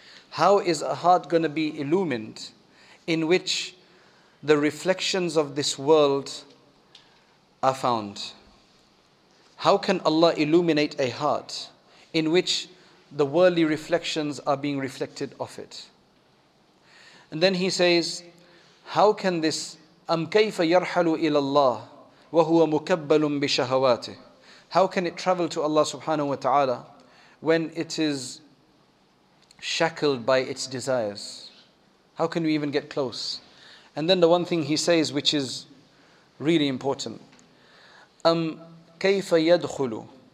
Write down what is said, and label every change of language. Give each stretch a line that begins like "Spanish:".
English: How is a heart going to be illumined in which the reflections of this world are found? How can Allah illuminate a heart in which the worldly reflections are being reflected off it?
Arabic: And then he says, how can this أَمْ كَيْفَ يَرْحَلُ إِلَى اللَّهِ وَهُوَ مُكَبَّلٌ بِشَهَوَاتِهِ.
English: How can it travel to Allah subhanahu wa ta'ala when it is shackled by its desires? How can we even get close? And then the one thing he says, which is really important, كَيْفَ يَدْخُلُ.